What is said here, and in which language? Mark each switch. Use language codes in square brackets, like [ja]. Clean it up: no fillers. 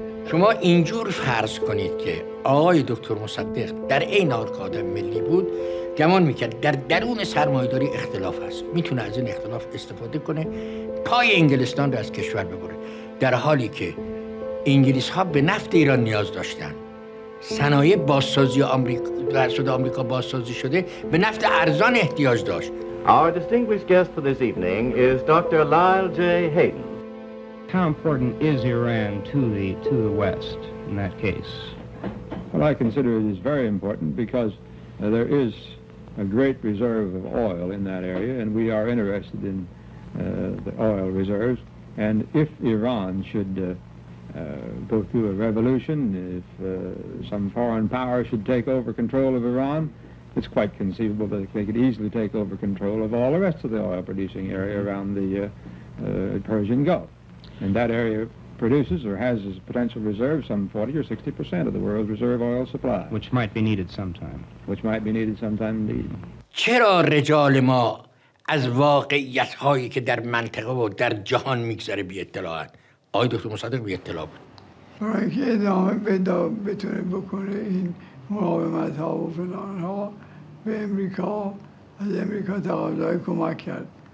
[fa] شما اینجور فرض کنید که آقای دکتر مصدق در عین حال که آدم ملی بود، گمان میکرد در درون سرمایه‌داری اختلاف هست، میتونه از این اختلاف استفاده کنه، پای انگلستان رو از کشور ببره. در حالی که انگلیس ها به نفت ایران نیاز داشتن، صنایع بازسازی آمریکا بازسازی شده، به نفت ارزان احتیاج داشت. [en] Our distinguished guest for this evening is Dr. Lyle J. Hayden. How important is Iran to the West in that case? Well, I consider it is very important because there is a great reserve of oil in that area, and we are interested in the oil reserves. And if Iran should go through a revolution, if some foreign power should take over control of Iran, it's quite conceivable that they could easily take over control of all the rest of the oil-producing area around the Persian Gulf. And that area produces or has as potential reserve some 40% or 60% of the world's reserve oil supply. Which might be needed sometime indeed. [fa] چرا رجال ما از واقعیت هایی که در منطقه و در جهان میگذره بی اطلاعات؟ آقای دکتر مصدق بی اطلاع بود. برای که ادامه بتونه بکنه این مقاومت ها و فلان ها، به امریکا، از امریکا تقاضای کمک کرد.